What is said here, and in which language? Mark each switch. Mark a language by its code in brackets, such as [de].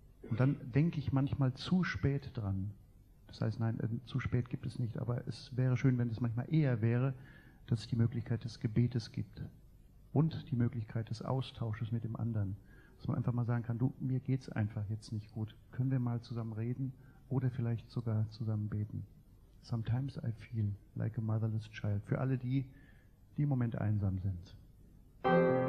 [de] Und dann denke ich manchmal zu spät dran. Das heißt, nein, zu spät gibt es nicht, aber es wäre schön, wenn es manchmal eher wäre, dass es die Möglichkeit des Gebetes gibt und die Möglichkeit des Austausches mit dem anderen. Dass man einfach mal sagen kann, du, mir geht's einfach jetzt nicht gut. Können wir mal zusammen reden oder vielleicht sogar zusammen beten? [en] Sometimes I feel like a motherless child. [de] Für alle die, die im Moment einsam sind.